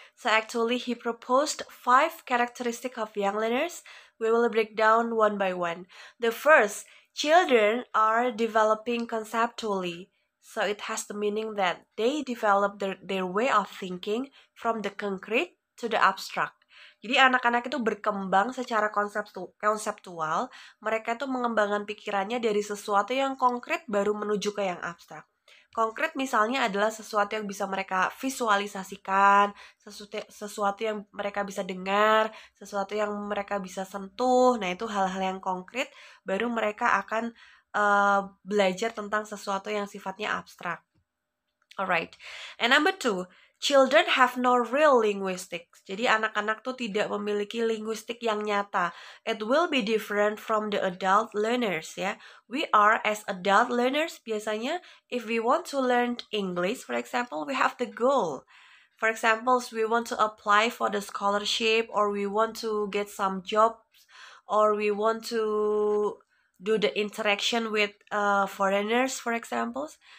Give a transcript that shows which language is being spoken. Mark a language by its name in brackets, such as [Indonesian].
[English] So actually, he proposed 5 characteristics of young learners. We will break down one by one. The first, children are developing conceptually. So it has the meaning that they develop their way of thinking from the concrete to the abstract. [Indonesian] Jadi anak-anak itu berkembang secara konseptual. Mereka itu mengembangkan pikirannya dari sesuatu yang konkret baru menuju ke yang abstrak. Konkret misalnya adalah sesuatu yang bisa mereka visualisasikan, sesuatu yang mereka bisa dengar, sesuatu yang mereka bisa sentuh. Nah, itu hal-hal yang konkret baru mereka akan belajar tentang sesuatu yang sifatnya abstrak. Alright. [English] And number 2, children have no real linguistics. [Indonesian] Jadi anak-anak tuh tidak memiliki linguistik yang nyata. [English] It will be different from the adult learners, ya. We are as adult learners biasanya if we want to learn English, for example, we have the goal. For example, we want to apply for the scholarship or we want to get some jobs or we want to do the interaction with foreigners, for example.